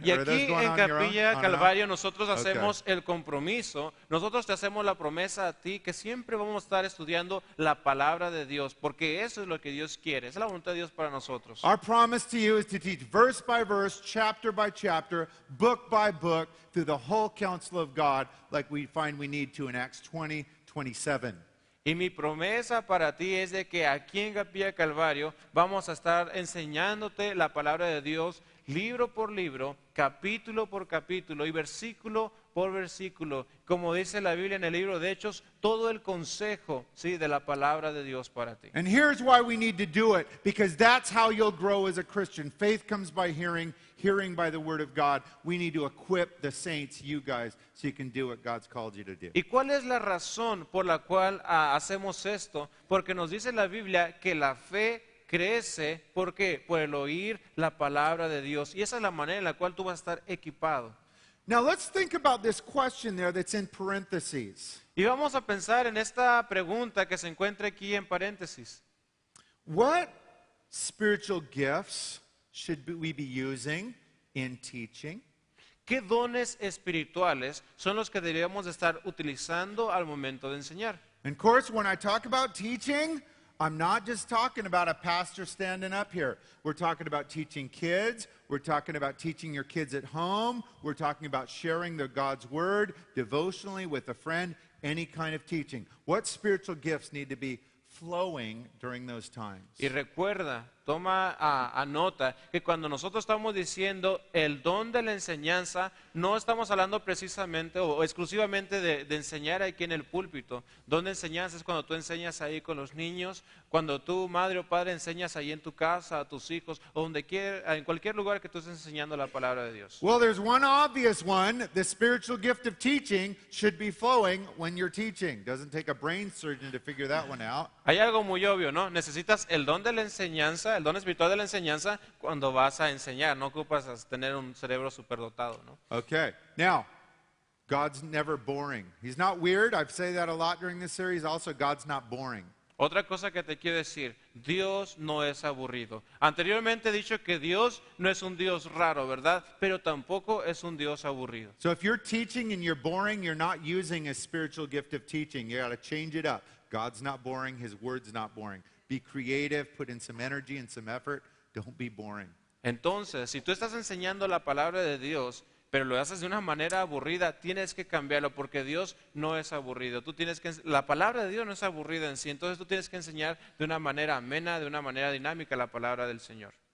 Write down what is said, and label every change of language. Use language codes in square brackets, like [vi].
[es] Y aquí en Capilla Calvario nosotros hacemos el compromiso, nosotros te hacemos la promesa a ti que siempre vamos a estar estudiando la palabra de Dios porque eso es lo que Dios quiere, es la voluntad de Dios para nosotros. [en] Our promise to you is to teach verse by verse, chapter by chapter, book by book, through the whole counsel of God like we find we need to in Acts 20:27. [es] Y mi promesa para ti es de que aquí en Capilla Calvario vamos a estar enseñándote la palabra de Dios libro por libro, capítulo por capítulo y versículo por versículo, como dice la Biblia en el libro de Hechos, todo el consejo, sí, de la palabra de Dios para ti. [en] And here's why we need to do it, because that's how you'll grow as a Christian. Faith comes by hearing, hearing by the word of God. We need to equip the saints, you guys, so you can do what God's called you to do. [es] ¿Y cuál es la razón por la cual hacemos esto? Porque nos dice la Biblia que la fe crece, ¿por qué? Por el oír la palabra de Dios. Y esa es la manera en la cual tú vas a estar equipado. [en] Now let's think about this question there that's in parentheses. [es] Y vamos a pensar en esta pregunta que se encuentra aquí en paréntesis. [en] What spiritual gifts should we be using in teaching? [es] ¿Qué dones espirituales son los que deberíamos estar utilizando al momento de enseñar? [en] And of course, when I talk about teaching, I'm not just talking about a pastor standing up here. We're talking about teaching kids. We're talking about teaching your kids at home. We're talking about sharing the God's word devotionally with a friend, any kind of teaching. What spiritual gifts need to be flowing during those times? [es] Y recuerda, toma a nota, que cuando nosotros estamos diciendo el don de la enseñanza, no estamos hablando precisamente o exclusivamente de enseñar aquí en el púlpito. Don de enseñanza es cuando tú enseñas ahí con los niños, cuando tú, madre o padre, enseñas ahí en tu casa, a tus hijos, o donde quiera, en cualquier lugar que tú estés enseñando la palabra de Dios. [en] Well, there's one obvious one. The spiritual gift of teaching should be flowing when you're teaching. Doesn't take a brain surgeon to figure that one out. [es] Hay algo muy obvio, ¿no? Necesitas el don de la enseñanza, el don espiritual de la enseñanza cuando vas a enseñar, no ocupas tener un cerebro superdotado, ¿no? [en] Okay. Now, God's never boring. He's not weird. I've said that a lot during this series. Also, God's not boring. [es] Otra cosa que te quiero decir, Dios no es aburrido. Anteriormente he dicho que Dios no es un Dios raro, ¿verdad? Pero tampoco es un Dios aburrido. [en] So if you're teaching and you're boring, you're not using a spiritual gift of teaching. You got to change it up. God's not boring, his word's not boring. Be creative, put in some energy and some effort. Don't be boring. [es] Entonces, si tú estás enseñando la palabra de Dios, pero lo haces de una manera aburrida, tienes que cambiarlo porque Dios no es aburrido. Tú tienes que, la palabra de Dios no es aburrida en sí. Entonces, tú tienes que enseñar de una manera amena, de una manera dinámica la palabra del Señor.